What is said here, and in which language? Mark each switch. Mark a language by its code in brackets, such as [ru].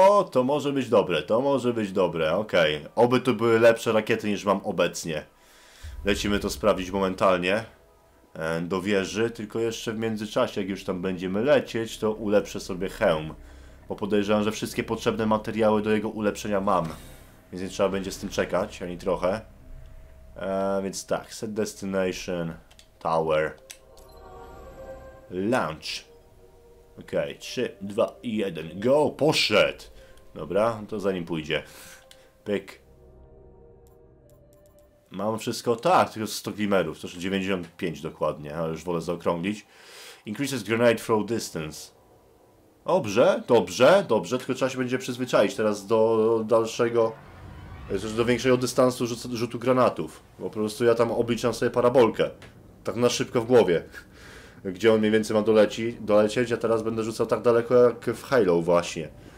[pl] To może być dobre, to może być dobre. Okej. Oby to były lepsze rakiety niż mam obecnie. Lecimy to sprawdzić momentalnie. Do wieży, tylko jeszcze w międzyczasie, jak już tam będziemy lecieć, to ulepszę sobie hełm. Bo podejrzewam, że wszystkie potrzebne materiały do jego ulepszenia mam. Więc nie trzeba będzie z tym czekać, ani trochę. Więc tak, [en] set destination, tower, launch. [pl] Okej, 3, 2, 1, go, poszedł! Dobra, to zanim pójdzie. Pyk. Mam wszystko, tak, tylko 100 glimmerów, to 95 dokładnie, ale już wolę zaokrąglić. [en] Increases grenade throw distance. [pl] Dobrze, dobrze, dobrze, tylko trzeba się będzie przyzwyczaić teraz do dalszego, do większego dystansu rzutu granatów. Po prostu ja tam obliczam sobie parabolkę, tak na szybko w głowie, gdzie on mniej więcej ma dolecieć, a teraz będę rzucał tak daleko jak w Halo właśnie.